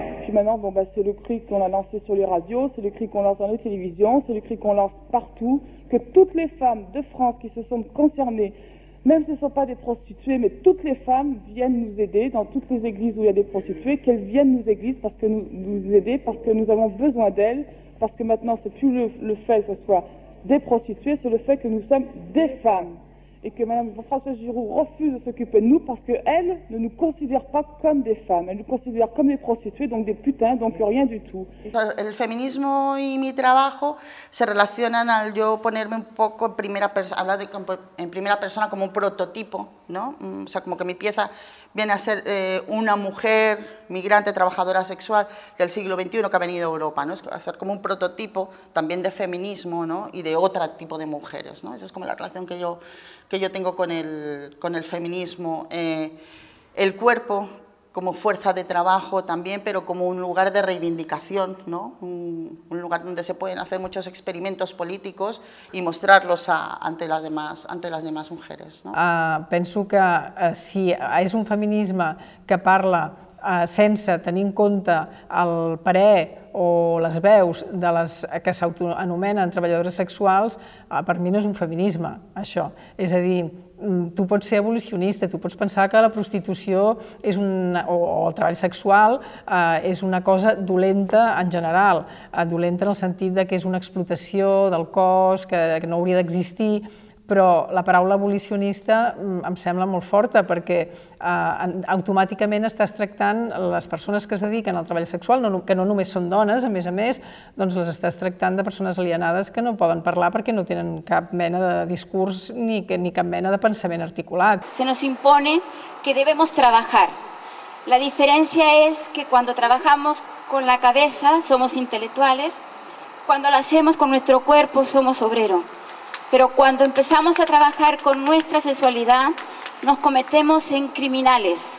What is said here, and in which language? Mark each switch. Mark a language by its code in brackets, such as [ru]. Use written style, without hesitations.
[fr] Maintenant, bon, c'est le cri qu'on a lancé sur les radios, c'est le cri qu'on lance dans les télévisions, c'est le cri qu'on lance partout, que toutes les femmes de France qui se sont concernées, même si ce ne sont pas des prostituées, mais toutes les femmes viennent nous aider dans toutes les églises où il y a des prostituées, qu'elles viennent nous églises parce que nous aider, parce que nous avons besoin d'elles, parce que maintenant c'est plus le fait que ce soit des prostituées, c'est le fait que nous sommes des femmes. Et que Mme Françoise Giroud refuse de s'occuper de nous parce qu'elle ne nous considère pas comme des femmes, elle nous considère comme des prostituées, donc des putains, donc rien du tout. [es] El feminismo y mi trabajo se relacionan al yo ponerme un poco en primera persona, hablar en primera persona como un prototipo, ¿no? O sea, como que mi pieza viene a ser una mujer migrante, trabajadora sexual del siglo XXI que ha venido a Europa, ¿no? Es hacer como un prototipo también de feminismo, ¿no? Y de otro tipo de mujeres, ¿no? Esa es como la relación que yo tengo con el feminismo. El cuerpo como fuerza de trabajo también, pero como un lugar de reivindicación, ¿no? Un lugar donde se pueden hacer muchos experimentos políticos y mostrarlos ante las demás mujeres, ¿no? [ca] Penso que si és un feminisme que parla sense tenir en compte el parer o les veus de les que s'autoanomenen treballadores sexuals, per mi no és un feminisme, això. És a dir, tu pots ser abolicionista, tu pots pensar que la prostitució és o el treball sexual és una cosa dolenta en general, dolenta en el sentit de que és una explotació del cos, que no hauria d'existir, però la paraula abolicionista em sembla molt forta perquè automàticament estàs tractant les persones que es dediquen al treball sexual, no, que no només són dones, a més, doncs les estàs tractant de persones alienades que no poden parlar perquè no tenen cap mena de discurs ni cap mena de pensament articulat. [es] Se nos impone que debemos trabajar. La diferencia es que cuando trabajamos con la cabeza somos intelectuales, cuando lo hacemos con nuestro cuerpo somos obrero. Pero cuando empezamos a trabajar con nuestra sexualidad, nos cometemos en criminales.